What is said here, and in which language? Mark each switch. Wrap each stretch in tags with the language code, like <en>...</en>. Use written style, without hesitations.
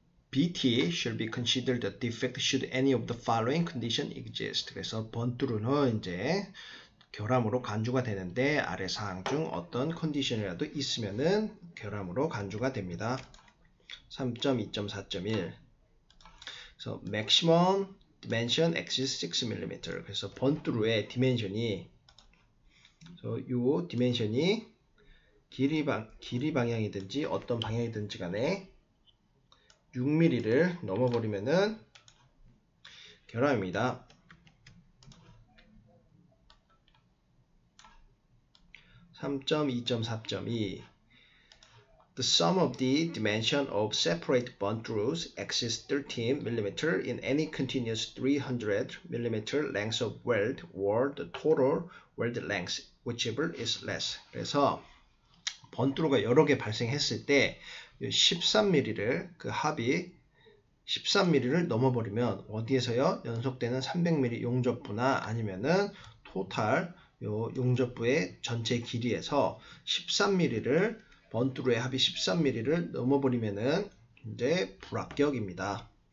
<en>BT should be considered a defect should any of the following condition exist.</en> <ko>그래서 번트루는 이제 결함으로 간주가 되는데 아래 사항 중 어떤 컨디션이라도 있으면은 결함으로 간주가 됩니다.</ko> <en>3.2.4.1. 그래서 maximum dimension exceeds 6mm.</en> <ko>그래서 번트루의 디멘션이 요 디멘션이 길이 방향이든지 어떤 방향이든지 간에 6mm를 넘어버리면은 결함입니다.</ko> <en>3.2.4.2. The sum of the dimension of separate bundles exceeds 13 mm in any continuous 300 mm length of weld or the total weld length, whichever is less.</en> <ko>그래서 번트루가 여러 개 발생했을 때 13mm를 그 합이 13mm를 넘어버리면 어디에서요? 연속되는 300mm 용접부나 아니면은 토탈 요 용접부의 전체 길이에서 13mm를 번트루의 합이 13mm를 넘어버리면은 이제 불합격입니다.</ko>